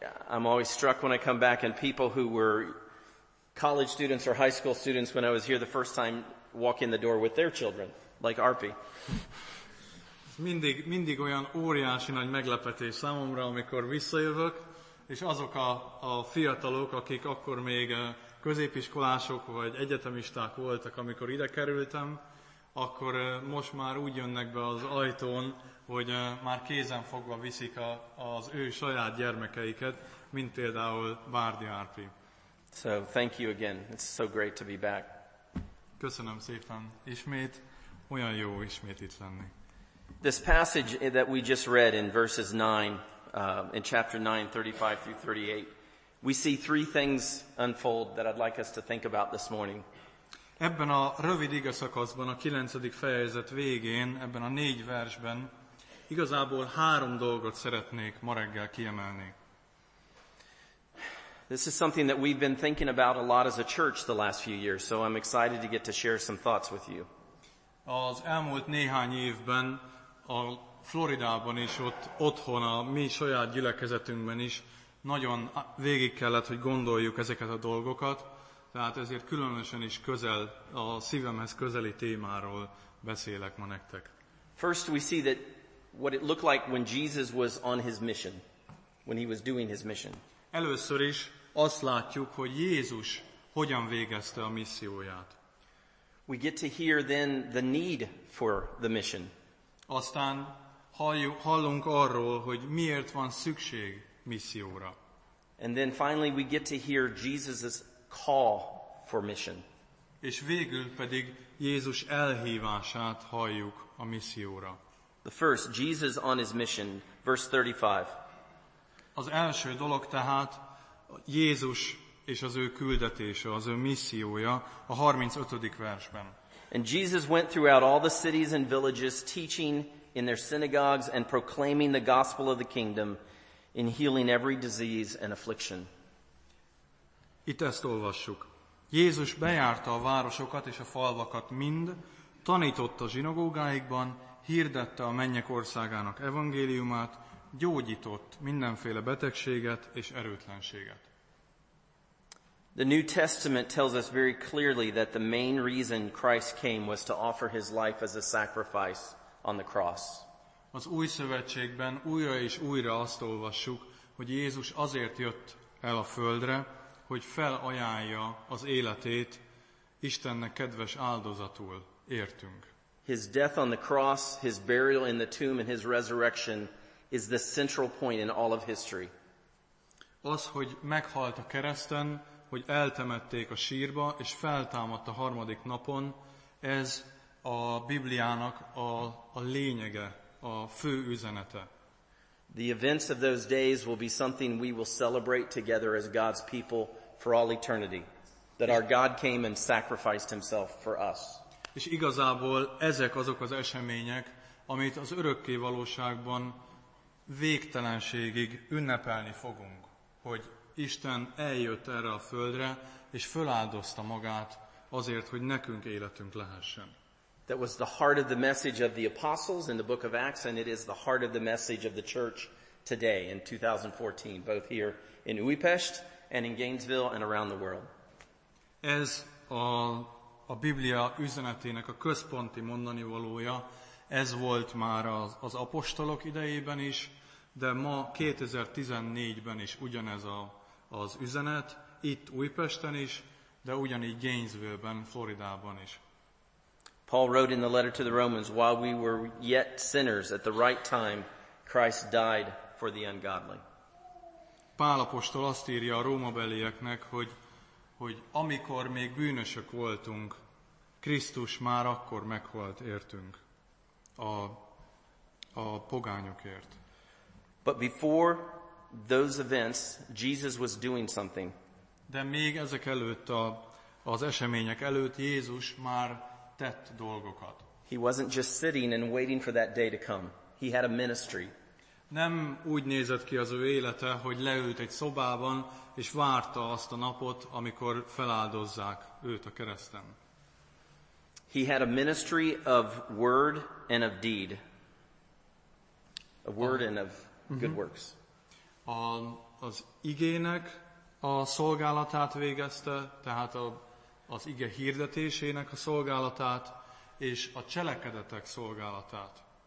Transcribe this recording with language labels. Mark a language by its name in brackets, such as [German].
[English] I'm always struck when I come back and people who were college students or high school students when I was here the first time walk in the door with their children, like Arpi. [Hungarian] Mindig olyan óriási nagy meglepetés számomra, amikor visszajövök, és azok a fiatalok, akik akkor még középiskolások vagy egyetemisták voltak, amikor ide kerültem, akkor most már úgy jönnek be az ajtón, hogy már kézen fogva viszik az ő saját gyermekeiket, mint például Várdi Árpi. [English] So, thank you again. It's so great to be back. [Hungarian] Köszönöm szépen ismét. Olyan jó ismét itt lenni. [English] This passage that we just read in verses 9, in chapter 9, 35 through 38, we see three things unfold that I'd like us to think about this morning. [Hungarian] Ebben a rövid igeszakaszban, a 9. fejezet végén, ebben a 4 versben, igazából 3 dolgot szeretnék ma reggel kiemelni. [English] This is something that we've been thinking about a lot as a church the last few years, so I'm excited to get to share some thoughts with you. [Hungarian] Az elmúlt néhány évben a Floridában is, ott otthon, a mi saját gyülekezetünkben is nagyon végig kellett, hogy gondoljuk ezeket a dolgokat, tehát ezért különösen is közel, a szívemhez közeli témáról beszélek ma nektek. [English] First we see that what it looked like when Jesus was on his mission, when he was doing his mission. [Hungarian] Először is azt látjuk, hogy Jézus hogyan végezte a misszióját. [English] We get to hear then the need for the mission. [Hungarian] Aztán hallunk arról, hogy miért van szükség misszióra. [English] And then finally we get to hear Jesus's call for mission. [Hungarian] És végül pedig Jézus elhívását halljuk a misszióra. [English] The first, Jesus on his mission, verse 35. [Hungarian] Az első dolog tehát Jézus és az ő küldetése, az ő missziója a 35. versben. [English] And Jesus went throughout all the cities and villages, teaching in their synagogues and proclaiming the gospel of the kingdom, in healing every disease and affliction. [Hungarian] Itt ezt olvassuk. Jézus bejárta a városokat és a falvakat mind, tanította a zsinagógáikban, hirdette a mennyek országának evangéliumát, gyógyított mindenféle betegséget és erőtlenséget. [English] The New Testament tells us very clearly that the main reason Christ came was to offer his life as a sacrifice on the cross. [Hungarian] Az Új Szövetségben újra és újra azt olvassuk, hogy Jézus azért jött el a földre, hogy felajánlja az életét Istennek kedves áldozatul, értünk. [English] His death on the cross, his burial in the tomb, and his resurrection is the central point in all of history. [Hungarian] Az, hogy meghalt a kereszten, hogy eltemették a sírba, és feltámadt a harmadik napon, ez a Bibliának a lényege, a fő üzenete. [English] The events of those days will be something we will celebrate together as God's people for all eternity. That our God came and sacrificed himself for us. [Hungarian] És igazából ezek azok az események, amit az örökkévalóságban végtelenségig ünnepelni fogunk, hogy Isten eljött erre a földre, és föláldozta magát azért, hogy nekünk életünk lehessen. [English] That was the heart of the message of the apostles in the book of Acts, and it is the heart of the message of the church today in 2014, both here in Újpest and in Gainesville and around the world. [Hungarian] Ez a Biblia üzenetének a központi mondani valója, ez volt már az apostolok idejében is, de ma 2014-ben is ugyanez az üzenet, itt Újpesten is, de ugyanígy Gainesville-ben, Floridában is. [English] Paul wrote in the letter to the Romans, while we were yet sinners, at the right time, Christ died for the ungodly. [Hungarian] Pál apostol azt írja a rómabelieknek, hogy amikor még bűnösök voltunk, Krisztus már akkor meghalt értünk a pogányokért. [English] But before those events, Jesus was doing something. [Hungarian] De még ezek előtt, az események előtt Jézus már tett dolgokat. [English] He wasn't just sitting and waiting for that day to come. He had a ministry. [Hungarian] Nem úgy nézett ki az ő élete, hogy leült egy szobában, és várta azt a napot, amikor feláldozzák őt a kereszten. [English] He had a ministry of word and of deed. A word and of good works. [Hungarian] Az igének a szolgálatát végezte, tehát az ige hirdetésének a szolgálatát és a cselekedetek szolgálatát.